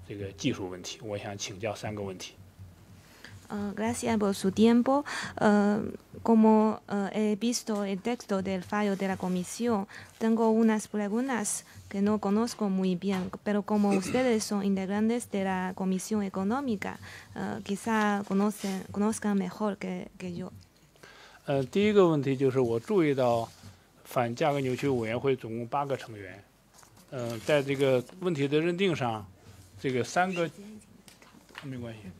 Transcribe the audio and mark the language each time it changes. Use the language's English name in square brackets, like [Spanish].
[Chinese] 感谢您给我这个机会，我也看到了这个委员会做出的这个裁决的文本。我作为一个外人呢，有些问题想问一下各位，因为我有些事情不明白，我想你们作为参议员又是经济委员会的成员，可能一定比我了解更多的这个技术问题，我想请教三个问题。 [Spanish] Gracias por su tiempo. Como he visto el texto del fallo de la comisión, tengo unas preguntas que no conozco muy bien, pero como ustedes son integrantes de la comisión económica, quizá conozcan mejor que yo. [Chinese] 第一个问题就是我注意到反价格扭曲委员会总共八个成员，在这个问题的认定上，这个三个没关系。